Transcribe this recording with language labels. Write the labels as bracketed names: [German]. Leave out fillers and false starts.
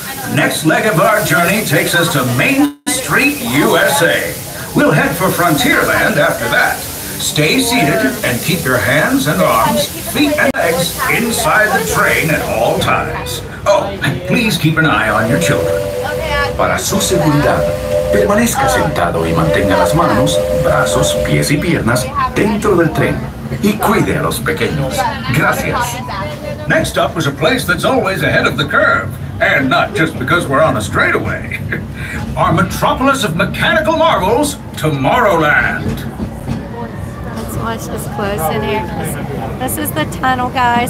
[English] The next leg of our journey takes us to Main Street, USA. We'll head for Frontierland after that. Stay seated and keep your hands and arms, feet and legs inside the train at all times. Oh, and please keep an eye on your children. [Spanish] Para su seguridad, permanezca sentado y mantenga las manos, brazos, pies y piernas dentro del tren. Y cuide a los pequeños. Gracias. [English] Next up is a place that's always ahead of the curve. And not just because we're on a straightaway. Our metropolis of mechanical marvels, Tomorrowland. Let's watch this close in here. This is the tunnel, guys.